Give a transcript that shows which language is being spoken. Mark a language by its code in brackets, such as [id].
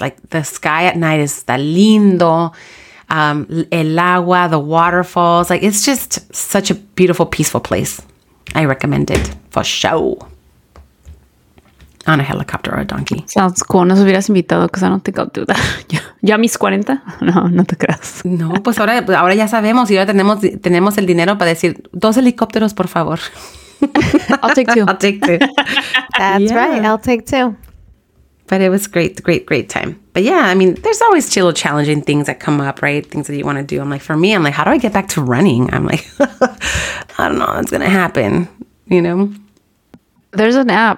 [en] Like, the sky at night is the lindo. [es] El agua, [en] the waterfalls. Like, it's just such a beautiful, peaceful place. I recommend it for show. On a helicopter or a donkey. Sounds cool. [es] Nos hubieras invitado, [en] because I don't think I'll do that. [es] ¿Ya mis 40? No, no te creas. No, pues ahora ya sabemos. Y ahora tenemos el dinero para decir, dos helicópteros, por favor. [en] I'll take two. I'll take two. That's right. I'll take two. But it was great, great, great time. But yeah, I mean, there's always still challenging things that come up, right? Things that you want to do. I'm like, for me, I'm like, how do I get back to running? I'm like, I don't know. It's going to happen, you know? There's an app.